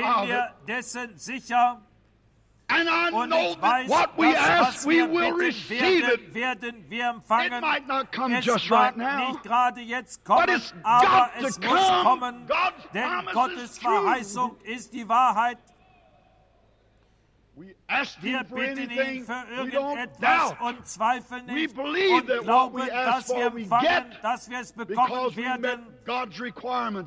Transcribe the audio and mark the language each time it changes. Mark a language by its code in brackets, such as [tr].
[de] Ich bin mir dessen sicher. [en] And I know that what we ask, we will receive it. [de] Werden wir empfangen. [en] It might not come just right now. [de] Nicht gerade jetzt kommen, aber es muss kommen, denn Gottes Verheißung ist die Wahrheit. Wir bitten ihn für irgendetwas und zweifeln nicht und glauben, dass wir empfangen, dass wir es bekommen werden.